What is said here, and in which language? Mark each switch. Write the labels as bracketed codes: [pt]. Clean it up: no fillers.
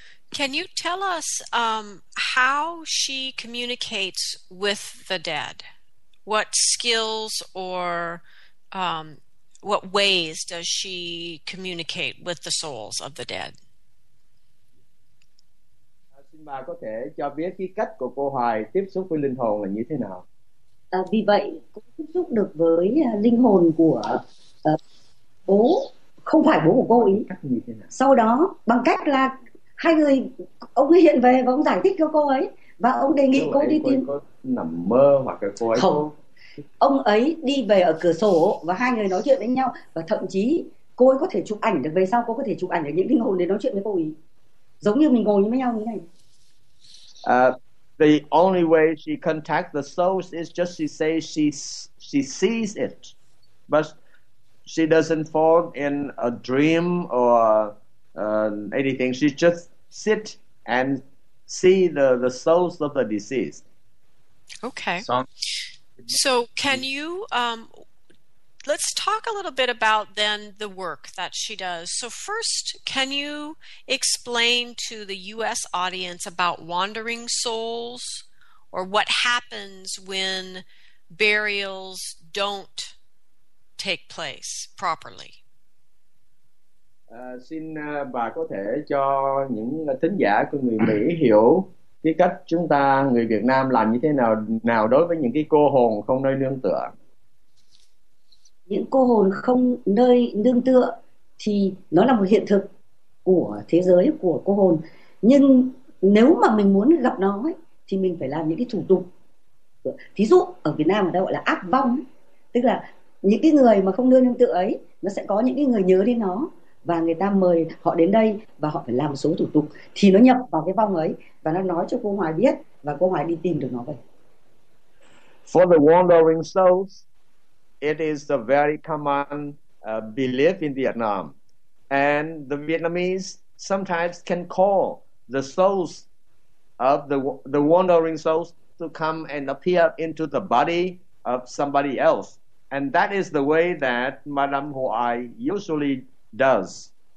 [en] Can you tell us how she communicates with the dead? What skills or what ways does she communicate with the souls of the dead? [vi] Xin bà có thể cho biết cái cách của cô Hoài tiếp xúc với linh hồn là như thế nào? Vì vậy cô tiếp xúc được với linh hồn của bố, không phải bố của cô ý. Sau đó bằng cách là hai người, ông ấy hiện về và ông giải thích cho cô ấy và ông đề nghị cô đi tìm. Cô ấy có nằm mơ hoặc là cô ấy không? Ông ấy đi về ở cửa sổ và hai người nói chuyện với nhau, và thậm chí cô ấy có thể chụp ảnh được, về sau cô có thể chụp ảnh được những linh hồn để nói chuyện với cô ý, giống như mình ngồi với nhau như này. [en] The only way she contacts the souls is just she says she sees it, but she doesn't fall in a dream or anything. She just sit and see the souls of the deceased. Okay. So can you let's talk a little bit about then the work that she does. So first, can you explain to the U.S. audience about wandering souls, or what happens when burials don't take place properly? [vi] Xin bà có thể cho những thính giả của người Mỹ hiểu cái cách chúng ta người Việt Nam làm như thế nào nào đối với những cái cô hồn không nơi nương tựa. Những cô hồn không nơi nương tựa thì nó là một hiện thực của thế giới của cô hồn, nhưng nếu mà mình muốn gặp nó ấy, thì mình phải làm những cái thủ tục. Thí dụ ở Việt Nam người ta gọi là áp vong, tức là những cái người mà không nơi nương tựa ấy, nó sẽ có những cái người nhớ đến nó và người ta mời họ đến đây và họ phải làm một số thủ tục thì nó nhập vào cái vong ấy và nó nói cho cô Hoài biết và cô Hoài đi tìm được nó vậy. [en] For the wandering souls, it is a very common belief in Vietnam, and the Vietnamese sometimes can call the souls of the wandering souls to come and appear into the body of somebody else, and that is the way that Madame Huai usually does.